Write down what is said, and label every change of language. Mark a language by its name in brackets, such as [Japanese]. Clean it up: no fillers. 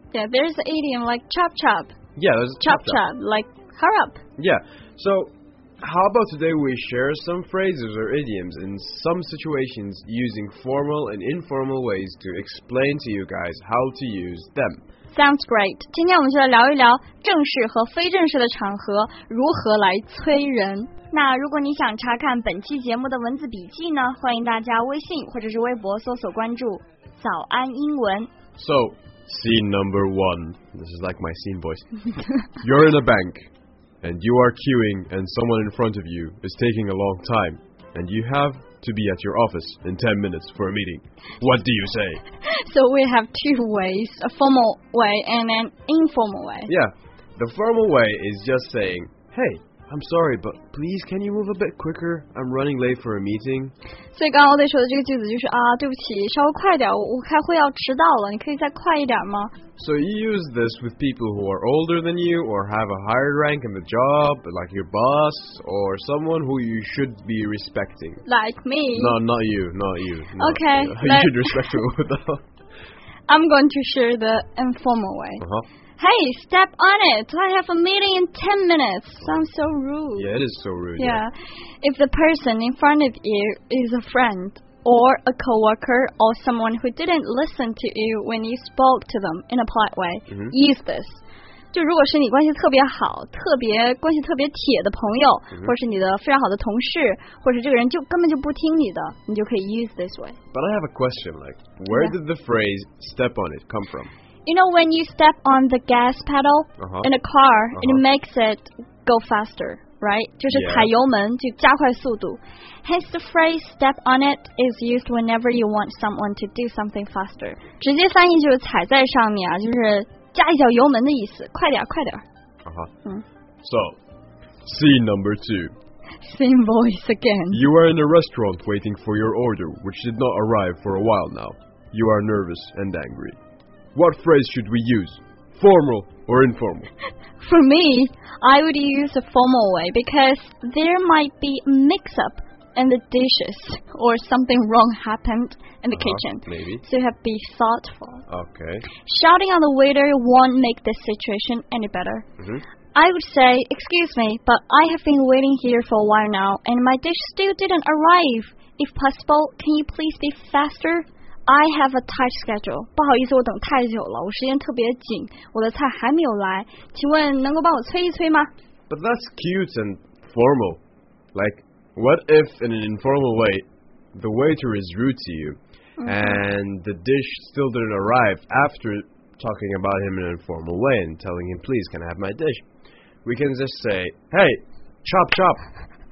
[English] Yeah, there is an idiom like chop chop. Yeah, there's a chop chop. Like, hurry up. Yeah, so... How about today we share some phrases or idioms in some situations using formal and informal ways to explain to you guys how to use them? Sounds great. [Chinese] 今天我们就来聊一聊正式和非正式的场合如何来催人。那如果你想查看本期节目的文字笔记呢，欢迎大家微信或者是微博搜索关注早安英文。 [English] So, scene number one. This is like my scene voice. You're in a bank. And you are queuing, and someone in front of you is taking a long time, and you have to be at your office in 10 minutes for a meeting. What do you say? So we have two ways, a formal way and an informal way. Yeah, the formal way is just saying, hey, I'm sorry, but please can you move a bit quicker? I'm running late for a meeting. [Chinese] 所以刚刚我得说的这个句子就是啊，对不起，稍微快点，我开会要迟到了，你可以再快一点吗？ [English] So you use this with people who are older than you or have a higher rank in the job, like your boss or someone who you should be respecting. Like me? No, not you. Okay. You should respect me with that. I'm going to share the informal way. Uh-huh. Hey, step on it. I have a meeting in 10 minutes. Sounds so rude. Yeah, it is so rude. Yeah. If the person in front of you is a friend... Or a coworker, or someone who didn't listen to you when you spoke to them in a polite way,、 mm-hmm. use this. [Chinese] 就如果是你关系特别好，特别关系特别铁的朋友、 mm-hmm. 或是你的非常好的同事，或是这个人就根本就不听你的，你就可以 [English] use this way. But I have a question, like, where、yeah. did the phrase step on it come from? You know, when you step on the gas pedal、 uh-huh. in a car,、 uh-huh. it makes it go faster. Right? [Chinese] 就是踩油门、 [English] yeah. [Chinese] 就加快速度。 [English] Hence the phrase step on it is used whenever you want someone to do something faster. [Chinese] 直接翻译就是踩在上面啊，就是加一脚油门的意思。快点快点。 [English] Uh-huh. So, scene number two. Same voice again. You are in a restaurant waiting for your order, which did not arrive for a while now. You are nervous and angry. What phrase should we use? Formal or informal? For me... I would use a formal way because there might be a mix-up in the dishes or something wrong happened in the kitchen. Maybe. So you have to be thoughtful. Okay. Shouting on the waiter won't make the situation any better. Mm-hmm. I would say, excuse me, but I have been waiting here for a while now and my dish still didn't arrive. If possible, can you please be faster? I have a tight schedule. [Chinese] 不好意思，我等太久了，我时间特别紧，我的菜还没有来，请问能够帮我催一催吗？ [English] But that's cute and formal. Like, what if in an informal way, the waiter is rude to you,、 mm-hmm. and the dish still didn't arrive after talking about him in an informal way and telling him, please, can I have my dish? We can just say, hey, chop chop.